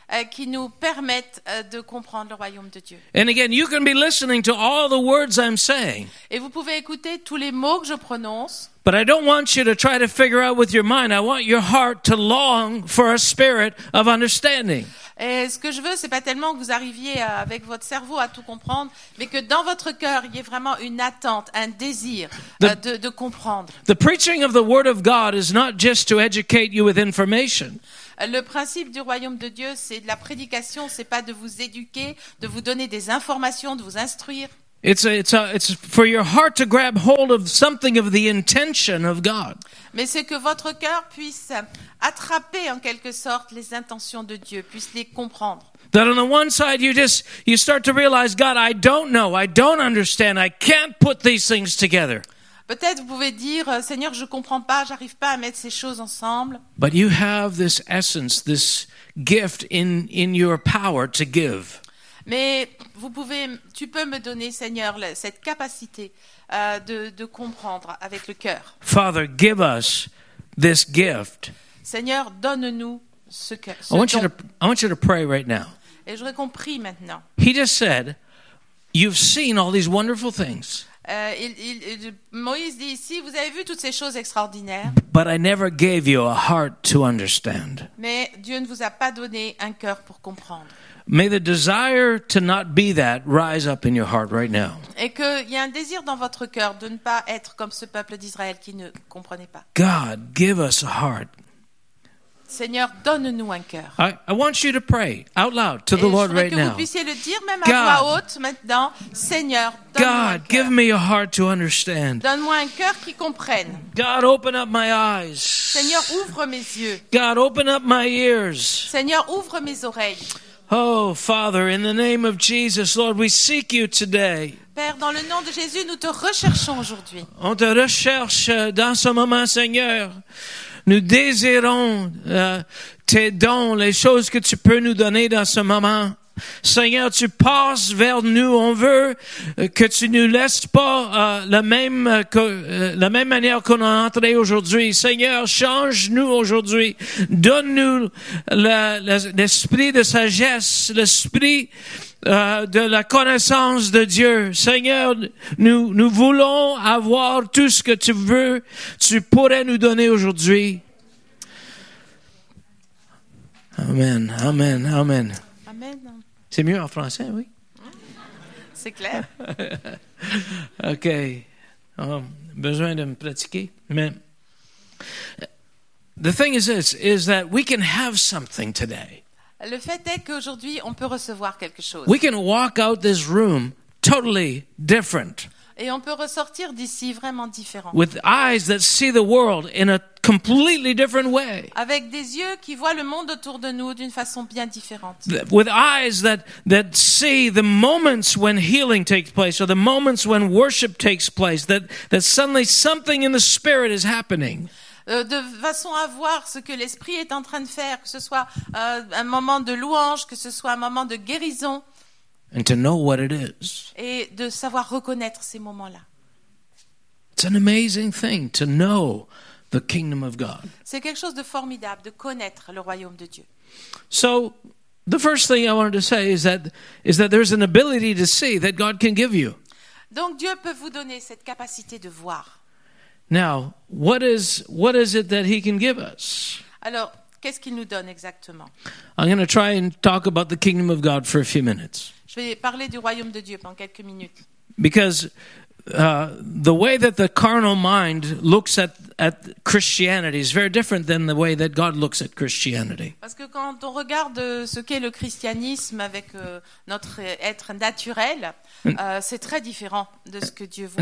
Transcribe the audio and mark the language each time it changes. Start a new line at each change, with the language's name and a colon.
French: Qui nous permettent de comprendre le royaume de Dieu.
English: And again, you can be listening to all the words I'm saying.
French: Et vous pouvez écouter tous les mots que je prononce.
English: But I don't want you to try to figure out with your mind. I want your heart to long for a spirit of understanding.
French: Et ce que je veux, c'est pas tellement que vous arriviez avec votre cerveau à tout comprendre, mais que dans votre cœur, il y ait vraiment une attente, un désir de comprendre.
English: The preaching of the word of God is not just to educate you with information.
French: Le principe du royaume de Dieu, c'est de la prédication, c'est pas de vous éduquer, de vous donner des informations, de vous instruire.
English: It's for your heart to grab hold of something of the intention of God.
French: Mais c'est que votre cœur puisse attraper en quelque sorte les intentions de Dieu, puisse les comprendre.
English: That on the one side you start to realize, God, I don't know, I don't understand, I can't put these things together.
French: Peut-être vous pouvez dire, Seigneur, je ne comprends pas, je n'arrive pas à mettre ces choses ensemble.
English: But you have this essence, this gift in your power to give.
French: Mais tu peux me donner, Seigneur, cette capacité de comprendre avec le cœur.
English: Father, give us this gift.
French: Seigneur, donne-nous ce cœur.
English: I want you to pray right now.
French: Et j'aurais compris maintenant.
English: He just said, you've seen all these wonderful things.
French: Moïse dit ici, vous avez vu toutes ces choses extraordinaires.
English: But I never gave you a heart to understand.
French: Mais Dieu ne vous a pas donné un cœur pour comprendre.
English: May the desire to not be that rise up in your heart right now.
French: Et qu'il y a un désir dans votre cœur de ne pas être comme ce peuple d'Israël qui ne comprenait pas.
English: God, give us a heart.
French: Seigneur, donne-nous un cœur.
English: I want you to pray out loud to the Lord right now.
French: Et je voudrais que vous puissiez le dire même à voix haute maintenant. Seigneur, donne-moi un cœur.
English: God, give me a heart to understand.
French: Donne-moi un cœur qui comprenne.
English: God, open up my eyes.
French: Seigneur, ouvre mes yeux.
English: God, open up my ears.
French: Seigneur, ouvre mes oreilles.
English: Oh, Father, in the name of Jesus, Lord, we seek you today.
French: Père, dans le nom de Jésus, nous te recherchons aujourd'hui. On te recherche dans ce moment, Seigneur. Nous désirons tes dons, les choses que tu peux nous donner dans ce moment. Seigneur, tu passes vers nous. On veut que tu ne nous laisses pas la même manière qu'on est entré aujourd'hui. Seigneur, change-nous aujourd'hui. Donne-nous l'esprit de sagesse, l'esprit de la connaissance de Dieu. Seigneur, nous voulons avoir tout ce que tu veux, tu pourrais nous donner aujourd'hui. Amen, amen, amen. Amen. C'est mieux en français, oui? C'est clair. OK. Besoin de me pratiquer. Mais
English: the thing is this, is that we can have something today.
French: Le fait est qu'aujourd'hui, on peut recevoir quelque chose.
English: We can walk out this room totally different.
French: Et on peut ressortir d'ici vraiment différent.
English: With eyes that see the world in a completely different way.
French: Avec des yeux qui voient le monde autour de nous d'une façon bien différente.
English: With eyes that see the moments when healing takes place or the moments when worship takes place, that suddenly something in the spirit is happening.
French: De façon à voir ce que l'esprit est en train de faire, que ce soit un moment de louange, que ce soit un moment de guérison.
English: And to know what it is.
French: Et de savoir reconnaître ces moments-là.
English: It's an amazing thing to know the kingdom of God.
French: C'est quelque chose de formidable de connaître le royaume de Dieu.
English: So the first thing I wanted to say is that there's an ability to see that God can give you.
French: Donc Dieu peut vous donner cette capacité de voir.
English: Now, what is it that he can give us?
French: Alors, qu'est-ce qu'il nous donne exactement?
English: I'm going to try and talk about the kingdom of God for a few minutes.
French: Je vais parler du royaume de Dieu pendant quelques minutes.
English: Because the way that the carnal mind looks at Christianity is very different than the way that God looks at Christianity.
French: Parce que quand on regarde ce qu'est le christianisme avec notre être naturel, c'est très différent de ce que Dieu voit.